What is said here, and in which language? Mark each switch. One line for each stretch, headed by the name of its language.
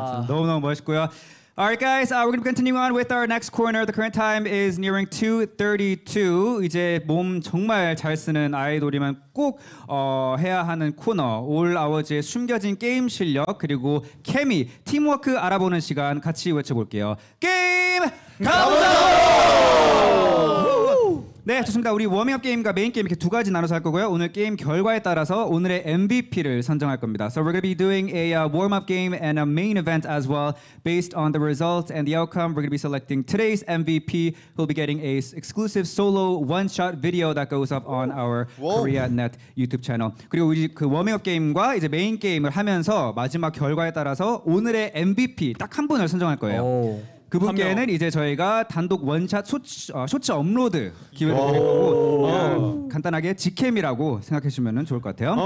Korean: 너무너무 멋있고요
English: Alright guys, we're gonna continue on with our next corner The current time is nearing 2.32
Korean: 이제 몸 정말 잘 쓰는 아이돌이면 꼭 해야 하는 코너 올 아워즈의 숨겨진 게임 실력 그리고 케미, 팀워크 알아보는 시간 같이 외쳐볼게요 게임 가보자! 네, 좋습니다. 우리 워밍업 게임과 메인 게임 이렇게 두 가지 나눠서 할 거고요. 오늘 게임 결과에 따라서 오늘의 MVP를 선정할 겁니다.
English: So we're going to be doing a warm-up game and a main event as well. Based on the results and the outcome, we're going to be selecting today's MVP who will be getting a exclusive solo one-shot video that goes up on our KoreaNet YouTube channel.
Korean: 그리고 우리 그 워밍업 게임과 이제 메인 게임을 하면서 마지막 결과에 따라서 오늘의 MVP 딱 한 분을 선정할 거예요. 그분께는 이제 저희가 단독 원샷 쇼츠 업로드 기회를 드리고 간단하게 직캠이라고 생각해주시면 좋을 것 같아요